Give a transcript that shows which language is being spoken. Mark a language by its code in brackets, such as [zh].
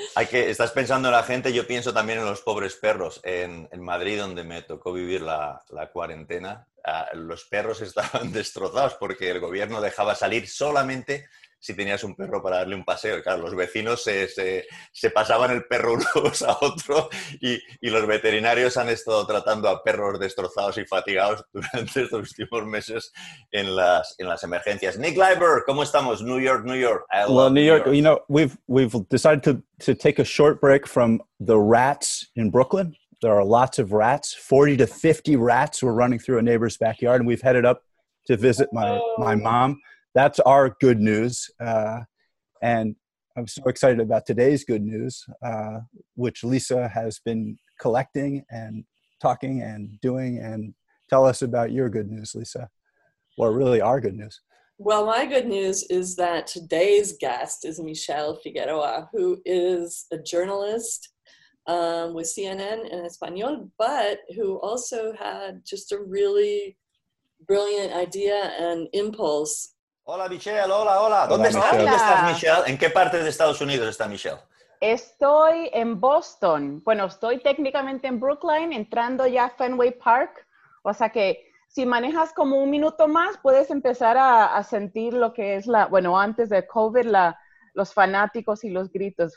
[es] Estás pensando en la gente, yo pienso también en los pobres perros. En Madrid, donde me tocó vivir la cuarentena, los perros estaban destrozados porque el gobierno dejaba salir solamente si tenías un perro para darle un paseo. Claro, los vecinos se pasaban el perro unos a otro y los veterinarios han estado tratando a perros destrozados y fatigados durante estos últimos meses en las emergencias. Nick Leiber, ¿cómo estamos? [en] New York. New York, you know, we've decided to take a short break from the rats in Brooklyn. There are lots of rats. 40 to 50 rats were running through a neighbor's backyard, and we've headed up to visit my mom. That's our good news, and I'm so excited about today's good news, which Lisa has been collecting and talking and doing. And tell us about your good news, Lisa, or really our good news. Well, my good news is that today's guest is Michelle Figueroa, who is a journalist with CNN in Espanol, but who also had just a really brilliant idea and impulse. [es] Hola, Michelle. Hola. ¿Dónde estás, Michelle? ¿En qué parte de Estados Unidos está Michelle? Estoy en Boston. Bueno, estoy técnicamente en Brookline, entrando ya a Fenway Park. O sea que si manejas como un minuto más, puedes empezar a sentir lo que es la, bueno, antes de COVID, los fanáticos y los gritos.